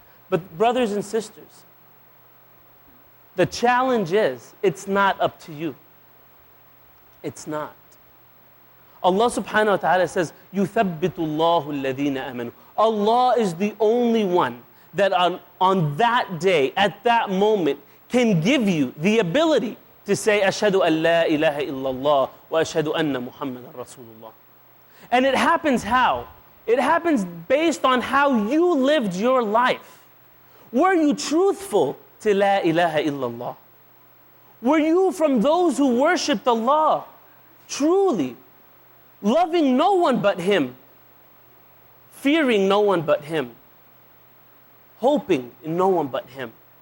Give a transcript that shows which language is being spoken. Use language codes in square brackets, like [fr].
[en] But brothers and sisters, the challenge is, it's not up to you. It's not. Allah subhanahu wa ta'ala says, [ar] يُثَبِّتُ اللَّهُ الَّذِينَ آمَنُوا. [en] Allah is the only one that on that day, at that moment, can give you the ability to say, [ar] أشهد أن لا إله إلا الله وأشهد أن محمد رسول الله. [en] And it happens how? It happens based on how you lived your life. Were you truthful to [ar] لا إله إلا الله? [en] Were you from those who worshipped Allah truly, loving no one but Him, fearing no one but Him, hoping in no one but Him?